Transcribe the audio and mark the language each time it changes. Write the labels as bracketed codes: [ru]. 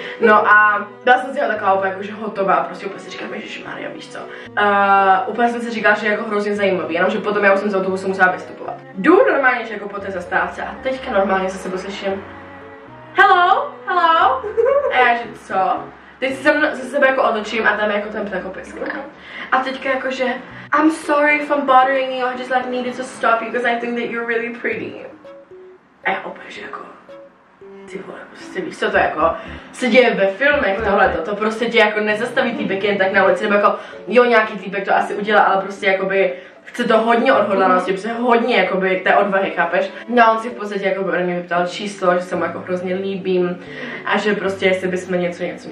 [cs] No a byla jsem si ho taková úplně jakože hotová, prostě úplně si říkám, ježišmarja, víš co. Úplně jsem si říkala, že je jako hrozně zajímavý, jenomže potom já už jsem z autobusu musela vystupovat. Jdu normálně, že jako po té zastávce a teďka normálně se sebou slyším [en] hello, hello, [cs] a já že co? Teď se ze sebe jako otočím a tam je jako ten ptakopisk. A teďka jakože [en] I'm sorry if I'm bothering you, I just like needed to stop you because I think that you're really pretty. [cs] A já opět, že jako ty vole, prostě víš, co to jako se děje ve filmech tohleto, to prostě tě jako nezastaví týpek jen tak na ulici, nebo jako jo, nějaký týpek to asi udělá, ale prostě jakoby chce to hodně odhodlanosti, prostě hodně jakoby té odvahy, chápeš? No on si v podstatě jakoby ode mě vyptal číslo, že se mu jako hrozně líbím a že prostě jestli bysme něco.